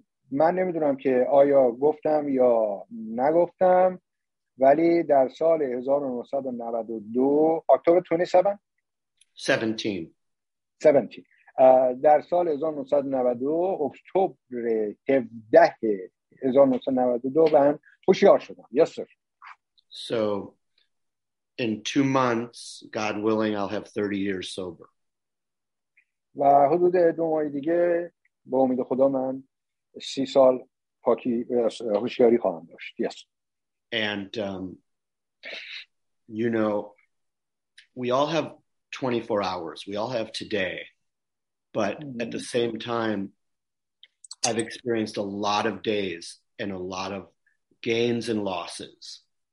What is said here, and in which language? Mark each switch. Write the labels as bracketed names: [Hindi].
[Persian] من نمیدونم که آیا گفتم یا نگفتم ولی در سال 1992 اکتبر 27 17 در سال 1992 اکتبر 17 1992 من هوشیار شدم. [English] Yes sir. So in 2 months, God willing, I'll have 30 years sober. [Persian] و حدود 2 ماه دیگه با امید خدا من 30 سال پاکی هوشیاری خواهم داشت. [English] Yes. And you know, we all have 24 hours. We all have today. But at the same time, I've experienced a lot of days and a lot of gains and losses.